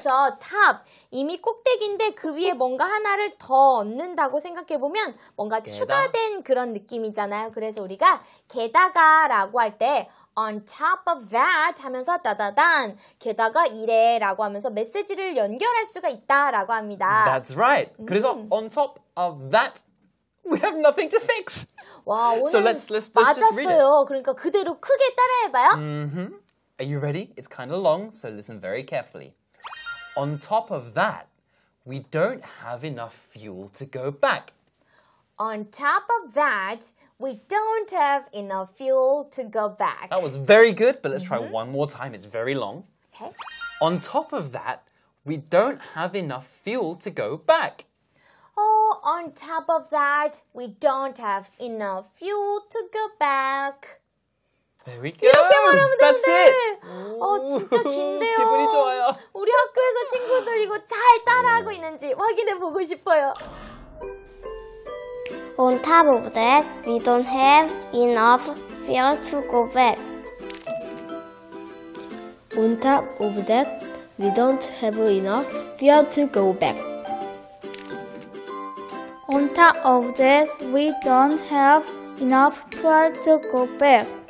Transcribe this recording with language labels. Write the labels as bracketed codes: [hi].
[ko] 저 top, 이미 꼭대기인데 그 위에 뭔가 하나를 더 얹는다고 생각해보면 뭔가 게다. 추가된 그런 느낌이잖아요. 그래서 우리가 게다가 라고 할 때 [en] On top of that [ko] 하면서 따다단 게다가 이래 라고 하면서 메시지를 연결할 수가 있다 라고 합니다. [en] That's right. [ko] 그래서 [en] on top of that we have nothing to fix. [ko] 와, 오늘 [en] so let's [ko] 맞았어요. [en] Just read it. [ko] 그러니까 그대로 크게 따라해봐요. [en] Mm-hmm. Are you ready? It's kind of long, so listen very carefully. On top of that, we don't have enough fuel to go back. On top of that, We don't have enough fuel to go back. That was very good, but let's try one more time. It's very long. Okay. On top of that, we don't have enough fuel to go back. Oh, on top of that, we don't have enough fuel to go back. There we go. [ko] 이렇게 말하면 [en] That's [ko] 되는데. [en] It. [ko] 어, 진짜 긴데요. 기분이 좋아요. 우리 학교에서 친구들 이거 잘 따라하고 있는지 확인해 보고 싶어요. [en] On top of that, we don't have enough fuel to go back. On top of that, we don't have enough fuel to go back. On top of that, we don't have enough fuel to go back.